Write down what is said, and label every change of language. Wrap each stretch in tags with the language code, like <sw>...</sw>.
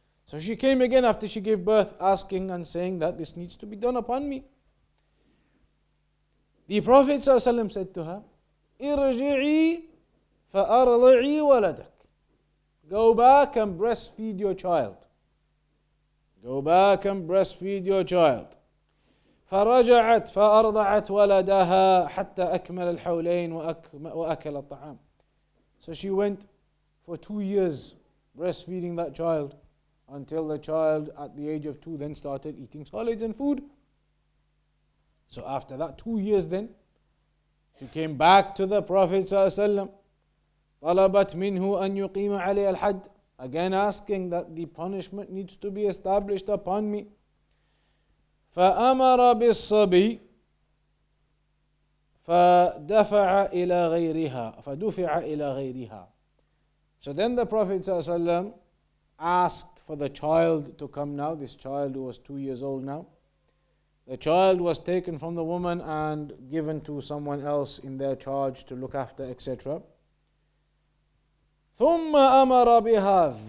<en>So she came again after she gave birth, asking and saying that this needs to be done upon me. The Prophet ﷺ said to her,</en> <ar>إِرْجِعِي فَأَرْضِعِي وَلَدَكْ.</ar> <en>Go back and breastfeed your child. Go back and breastfeed your child.</en> <ar>فرجعت فأرضعت ولدها حتى أكمل الحولين وأكل الطعام.</ar> <en>So she went for 2 years breastfeeding that child until the child at the age of 2 then started eating solids and food. So after that 2 years then, she came back to the Prophet ﷺ.</en> <ar>طلبت منه أن يقيم عليه الحد.</ar> <en>Again asking that the punishment needs to be established upon me.</en> <ar>فأمر بالصبي فدفع إلى غيرها فدفع إلى غيرها.</ar> <en>So then the Prophet ﷺ asked for the child to come now. This child was 2 years old now. The child was taken from the woman and given to someone else in their charge to look after, etc.</en> <ar>ثم أمر بها.</ar>